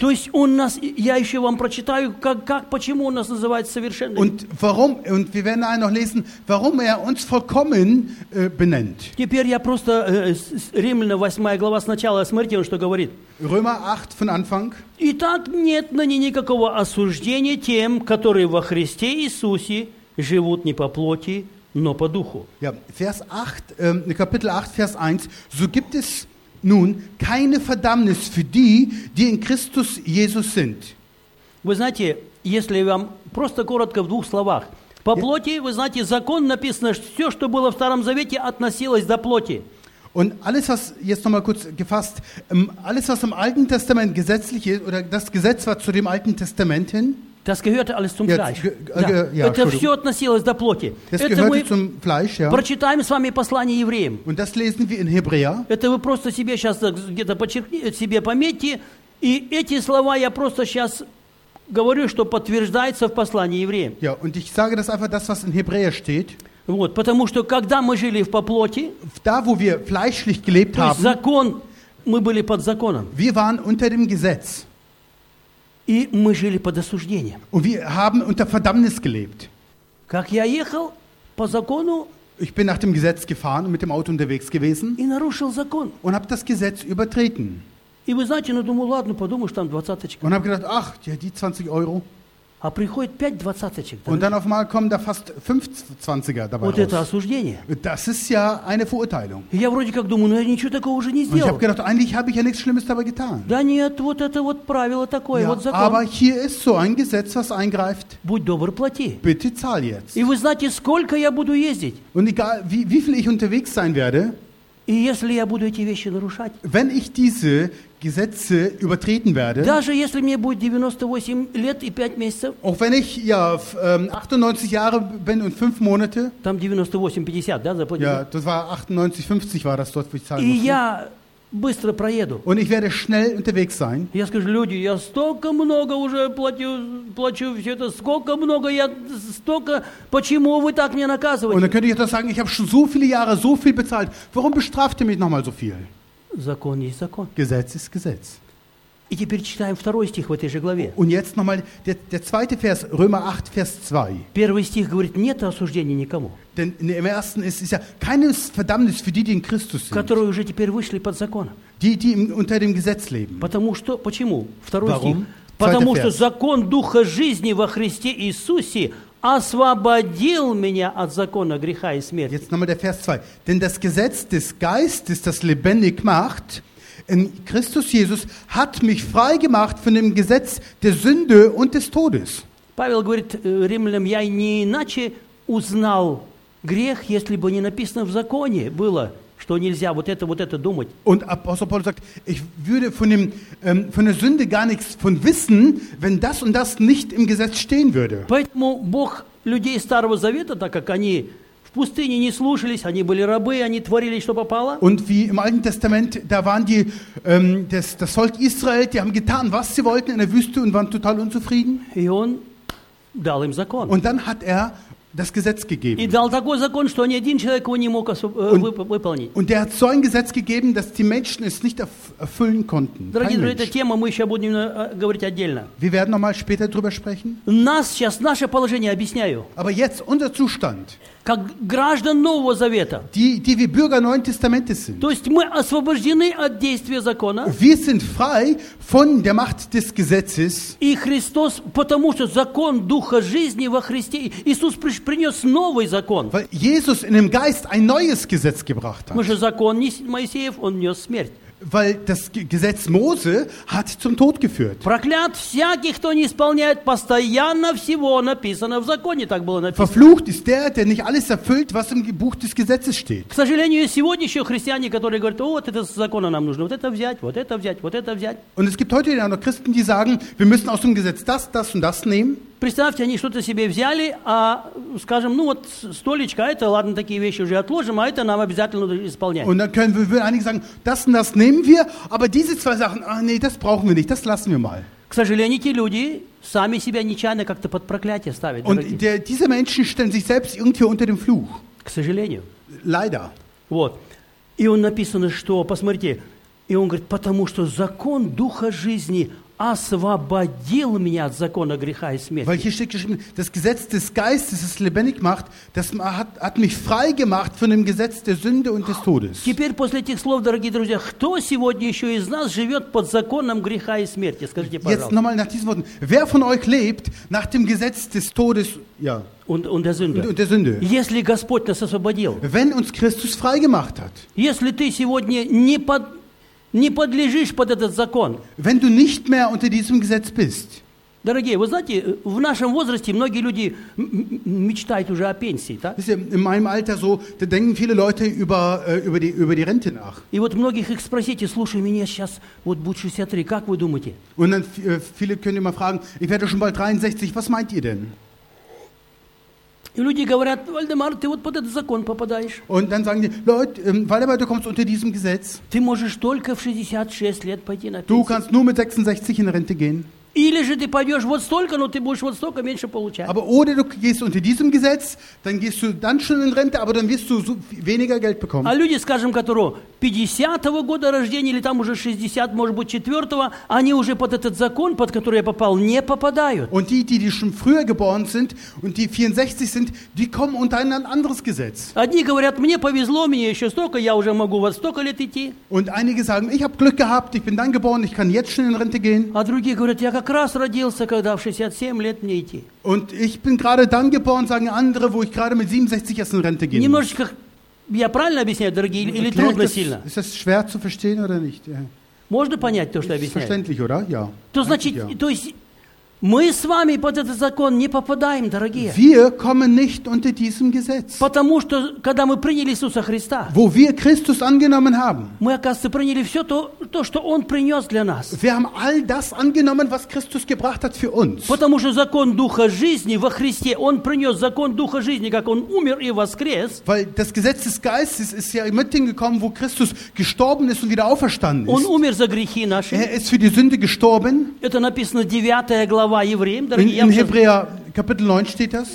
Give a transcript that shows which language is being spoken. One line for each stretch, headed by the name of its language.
Russian: То есть он нас, я еще вам прочитаю, как почему он нас называет совершенным.
German: Und warum, und wir werden auch noch lesen, warum er uns vollkommen benennt.
Russian: Теперь я просто Римлянам 8 глава сначала, смотрите, он что говорит.
German: Römer 8 von Anfang.
Russian: Итак, нет на ней никакого осуждения тем, которые во Христе Иисусе живут не по плоти, но по духу.
German: Ja, Vers 8, Kapitel 8, Vers 1. So gibt es nun keine Verdammnis für die, die in Christus Jesus sind.
Russian: Вы знаете, если вам просто коротко в двух словах. По плоти, вы знаете, закон написано, что все, что было в Старом Завете, относилось до плоти.
German: Und alles, was, jetzt nochmal kurz gefasst, alles, was im Alten Testament gesetzlich ist, oder das Gesetz war zu dem Alten Testament hin, das gehörte alles zum Fleisch. Das gehörte zum Fleisch, ja.
Russian: Прочитаем с вами послание евреям.
German: Und das lesen wir in Hebräer.
Russian: Это вы просто себе сейчас где-то подчеркните, себе пометьте, и эти слова я просто сейчас говорю, что подтверждается в послании евреям.
German: Ja, und ich sage das einfach, das, was in Hebräer steht.
Russian: Вот, потому что когда мы жили в поплоти,
German: da, wo wir fleischlich gelebt
Russian: то есть закон, мы были под законом.
German: Wir waren unter dem Gesetz.
Russian: И мы жили под осуждением.
German: Und wir haben unter Verdammnis gelebt.
Russian: Как я ехал по закону,
German: ich bin nach dem Gesetz gefahren und mit dem Auto unterwegs gewesen
Russian: и нарушил закон.
German: Und habe das Gesetz übertreten.
Russian: И вы знаете, ну думаю, ладно, подумаешь, там двадцаточка.
German: Und habe gedacht, ach, ja, die 20 Euro.
Russian: А приходит 5 двадцаточек.
German: Und dann auf einmal kommen da fast 25er dabei
Russian: вот
German: raus.
Russian: Это осуждение.
German: Das ist ja eine Verurteilung.
Russian: Я вроде как думаю, ну я ничего такого уже не сделал.
German: Und ich habe gedacht, eigentlich habe ich ja nichts Schlimmes dabei getan.
Russian: Да нет, вот это вот правило такое,
German: ja,
Russian: вот закон.
German: Aber hier ist so ein Gesetz, was eingreift.
Russian: Будь добр, плати.
German: Bitte zahl jetzt.
Russian: И вы знаете, сколько я буду ездить.
German: Und egal, wie viel ich unterwegs sein werde.
Russian: И если я буду эти вещи нарушать.
German: Wenn ich diese Gesetze übertreten werde.
Russian: Даже если мне будет 98 лет и 5 месяцев.
German: Auch wenn ich ja 98 Jahre bin und 5 Monate.
Russian: Там 98, 50, да, заплатили.
German: Ja, das war 98, 50 war das dort, wo ich zahlen musste.
Russian: И я быстро проеду.
German: Und ich werde schnell unterwegs sein.
Russian: Я скажу, люди, я столько много уже плачу все это, сколько много, я столько, почему вы так мне наказываете?
German: Und dann könnte ich doch sagen, ich habe schon so viele Jahre so viel bezahlt, warum bestraft ihr mich nochmal so viel?
Russian: Закон есть закон.
German: Gesetz ist Gesetz.
Russian: И теперь читаем второй стих в этой же главе.
German: Und jetzt nochmal der zweite Vers, Römer 8, Vers 2.
Russian: Первый стих говорит, нет осуждения никому.
German: Denn im ersten ist ja keines Verdammnis für die, die in Christus sind.
Russian: Которые уже теперь вышли под закон.
German: Die unter dem Gesetz leben.
Russian: Потому что, почему? Второй
German: Warum?
Russian: Стих. Потому что закон Духа жизни во Христе Иисусе освободил меня от закона греха и смерти.
German: Jetzt nochmal der Vers 2. Denn das Gesetz des Geistes, das lebendig macht, in Christus Jesus hat mich frei gemacht von dem Gesetz der Sünde und des Todes.
Russian: Павел говорит римлянам, я не иначе узнал грех, если бы не написано в законе было, что нельзя вот это думать.
German: Und Apostel Paulus sagt, ich würde von der Sünde gar nichts von wissen, wenn das und das nicht im Gesetz stehen würde.
Russian: Поэтому Бог людей Старого Завета, так как они в пустыне не слушались, они были рабы, они творили, что попало.
German: Und wie im Alten Testament, da waren die, das Volk Israel, die haben getan, was sie wollten in der Wüste und waren total unzufrieden.
Russian: И он дал им закон.
German: Und dann hat er das Gesetz gegeben.
Russian: И дал такой закон, что ни один человек его не мог выполнить.
German: Und er hat so ein Gesetz gegeben, dass die Menschen es nicht erfüllen konnten.
Russian: Дорогие друзья, эта тема мы еще будем говорить отдельно.
German: Wir werden noch mal später drüber sprechen.
Russian: Нас сейчас наше положение объясняю.
German: Aber jetzt unser Zustand.
Russian: Как граждан Нового Завета.
German: Die wir Bürger Neuen Testamentes sind.
Russian: То есть мы освобождены от действия закона.
German: Wir sind frei von der Macht des Gesetzes.
Russian: И Христос, потому что закон Духа жизни во Христе, Иисус принес новый закон.
German: Weil Jesus in dem Geist ein neues Gesetz gebracht hat.
Russian: Потому что закон не Моисеев, он нес смерть.
German: Weil das Gesetz Mose hat zum Tod geführt.
Russian: Проклят всякий, кто не исполняет постоянно всего написанного в законе, так было написано.
German: Verflucht ist der nicht alles erfüllt, was im Buch des Gesetzes steht.
Russian: К сожалению, сегодня еще христиане, которые говорят, вот это закона нам нужно, вот это взять, вот это взять, вот это взять.
German: Und es gibt heute ja noch Christen, die sagen, wir müssen aus dem Gesetz das, das und das nehmen.
Russian: Представьте, они что-то себе взяли, а, скажем, ну вот столечко, это, ладно, такие вещи уже отложим, а это нам обязательно нужно исполнять.
German: Und dann können wir einige sagen, das und das nehmen wir, aber diese zwei Sachen, ah nee, das brauchen wir nicht, das lassen wir mal.
Russian: К сожалению, эти люди сами себя нечаянно как-то под проклятие ставят.
German: Und diese Menschen stellen sich selbst irgendwie unter den Fluch.
Russian: К сожалению.
German: Leider.
Russian: Вот. И он написано, что, посмотрите, и он говорит, потому что закон Духа жизни освободил меня от закона греха и смерти.
German: Weil hier steht geschrieben, das Gesetz des Geistes, das lebendig macht, das hat mich frei gemacht von dem Gesetz der Sünde und des Todes.
Russian: Теперь после этих слов, дорогие друзья, кто сегодня еще из нас живет под законом греха и смерти? Скажите, пожалуйста.
German: Jetzt nochmal nach diesen Worten. Wer von euch lebt nach dem Gesetz des Todes? Ja. Und der Sünde. Und der Sünde.
Russian: Если Господь нас освободил.
German: Wenn uns Christus frei gemacht hat.
Russian: Если ты сегодня не под не подлежишь под этот закон.
German: Wenn du nicht mehr unter diesem Gesetz bist.
Russian: Дорогие, вы знаете, в нашем возрасте многие люди мечтают уже о пенсии, так?
German: Wisst ihr, in meinem Alter so, da denken viele Leute über die Rente nach.
Russian: И вот многих их спросите, слушай, меня сейчас вот будет 63, как вы думаете?
German: Und dann viele können immer fragen, ich werde schon bald 63, was meint ihr denn?
Russian: И люди говорят, Вальдемар, ты вот под этот закон попадаешь.
German: Und dann sagen die, Leute, Вальдемар, du kommst unter diesem Gesetz.
Russian: Ты можешь только в 66 лет пойти на пенсию.
German: Du kannst nur mit 66 in Rente gehen.
Russian: Или же ты пойдешь вот столько, но ты будешь вот столько меньше получать.
German: Aber oder du gehst unter diesem Gesetz, dann gehst du dann schon in Rente, aber dann wirst du so weniger Geld bekommen.
Russian: А люди, скажем, которые 50-го года рождения или там уже 60, может быть, 4-го, они уже под этот закон, под который я попал, не попадают.
German: Und die schon früher geboren sind und die 64 sind, die kommen unter ein anderes Gesetz.
Russian: Одни говорят, мне повезло, мне еще столько, я уже могу вот столько лет идти.
German: Und einige sagen, ich habe Glück gehabt, ich bin dann geboren, ich kann jetzt schon in Rente gehen.
Russian: А другие говорят, я как раз родился, когда в 67 лет мне идти.
German: Und ich bin gerade dann geboren, sagen andere, wo ich gerade mit 67 erst in Rente gehen.
Russian: Немножечко, я правильно объясняю, дорогие, или
German: Erklärt
Russian: трудно
German: das,
Russian: сильно?
German: Ist das schwer zu verstehen oder nicht?
Russian: Можно понять то, что я объясняю?
German: Verständlich, oder? Ja.
Russian: То значит,
German: ja.
Russian: То есть Мы с вами под этот закон не попадаем, дорогие.
German: Wir kommen nicht unter diesem Gesetz.
Russian: Потому что когда мы приняли Иисуса Христа,
German: wo wir Christus angenommen haben,
Russian: мы, оказывается, приняли все то, что Он принес для нас.
German: Wir haben all das angenommen, was Christus gebracht hat für uns.
Russian: Потому что закон Духа жизни во Христе, Он принес закон Духа жизни, как Он умер и воскрес.
German: Weil das Gesetz des Geistes ist ja mit ihm gekommen, wo Christus gestorben ist und wieder auferstanden ist.
Russian: Он умер за грехи наши.
German: Er ist für die Sünde gestorben.
Russian: Это написано 9 глава.
German: In Hebräer Kapitel 9 steht das.